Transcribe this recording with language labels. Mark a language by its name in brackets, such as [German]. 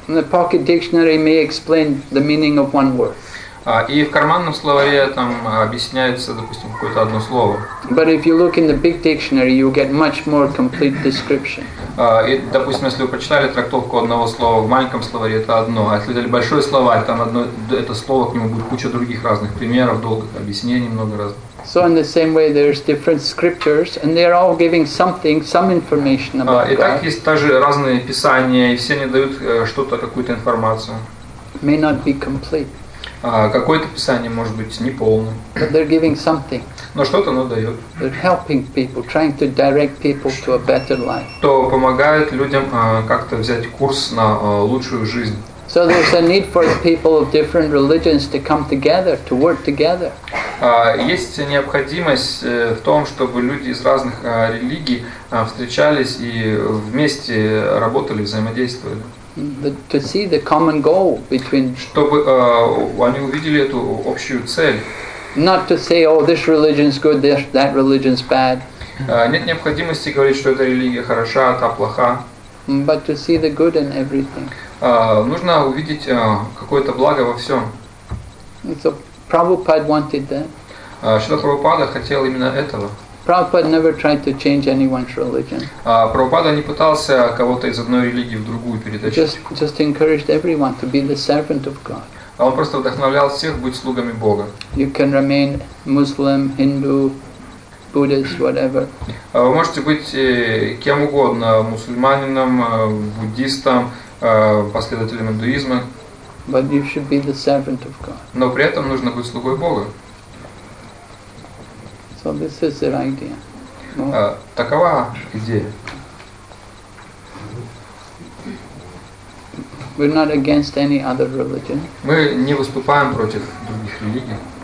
[English] And the pocket dictionary may explain the meaning of one word. [Russian] И в карманном словаре там объясняется, допустим, какое-то одно слово. [English] But if you look in the big dictionary, you get much more complete description. [Russian] И, допустим, если вы прочитали трактовку одного слова в маленьком словаре, это одно. А если взяли большой словарь, там одно это слово, к нему будет куча других разных примеров, долгих объяснений, много раз. [English] So in the same way, there's different scriptures, and they are all giving something, some information about God. [Russian] И так есть также разные писания, и все они дают что-то, какую-то информацию. [English] May not be complete. [Russian] Какое-то писание может быть неполным. Но что-то оно дает. [English] People, [Russian] то помогает людям как-то взять курс на лучшую жизнь. [English] So there's a need for people of different religions to come together, to work together. [Russian] Есть необходимость в том, чтобы люди из разных религий встречались и вместе работали, взаимодействовали. [English] To see the common goal between. [Russian] Чтобы они увидели эту общую цель. [English] Not to say, oh, this religion is good, that religion is bad. [Russian] Нет необходимости говорить, что эта религия хороша, та плоха. [English] But to see the good in everything. [Russian] Нужно увидеть какое-то благо во всем. [English] So Prabhupada wanted that. [Russian] Шрила Прабхупада хотел именно этого. [English] Prabhupada never tried to change anyone's religion. [Russian] Прабхупада не пытался кого-то из одной религии в другую перетащить. [English] Just encouraged everyone to be the servant of God. [Russian] Он просто вдохновлял всех быть слугами Бога. [English] You can remain Muslim, Hindu, Buddhist, whatever. [Russian] Вы можете быть кем угодно, мусульманином, буддистом, последователем индуизма. [English] But you should be the servant of God. [Russian] Но при этом нужно быть слугой Бога. [English] So this is the idea. [Russian] Такова идея. [English] We're not against any other religion. [Russian] Мы не выступаем против других религий.